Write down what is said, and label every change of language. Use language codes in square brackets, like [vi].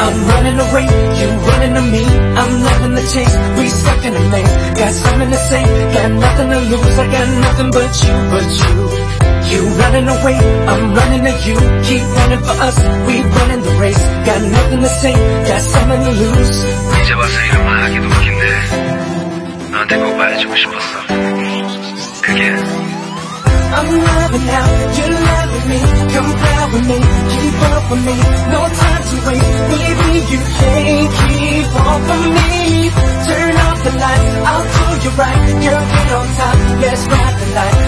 [en] I'm running away, you running to me. I'm loving the chase, we stuck in a maze. Got something to say, got nothing to lose. I got nothing but you. You running away, I'm running to you. Keep running for us, we running the race. Got nothing to say, got something to lose. [ko] 이제 와서 이런 말 하기도 웃긴데 너한테 꼭 말해주고 싶었어. 그게 [en] I'm loving how you're loving me. Come back with me, keep up with me. No time to waste, baby, you can't keep up with me. Turn off the lights, I'll pull you right. Girl, get on top, let's ride the light.